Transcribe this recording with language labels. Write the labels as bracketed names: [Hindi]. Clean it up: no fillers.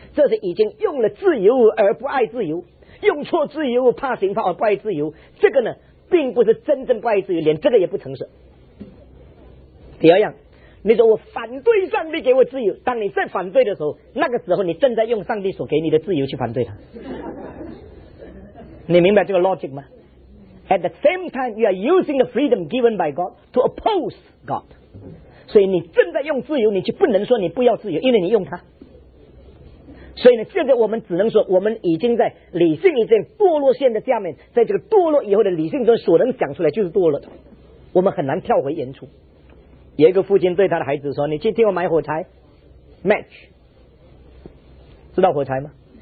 [Chinese] 这是已经用了自由而不爱自由，用错自由怕刑罚而不爱自由。这个呢并不是真正不爱自由，连这个也不诚实。第二样，你说我反对上帝给我自由，当你在反对的时候，那个时候你正在用上帝所给你的自由去反对他。你明白这个 logic 吗？ [English] At the same time you are using the freedom given by God to oppose God. [Chinese] 所以你正在用自由，你就不能说你不要自由，因为你用它。所以呢，现在我们只能说我们已经在理性已经堕落线的下面，在这个堕落以后的理性中所能讲出来就是堕落的，我们很难跳回原处。有一个父亲对他的孩子说，你去替我买火柴 match， 知道火柴吗？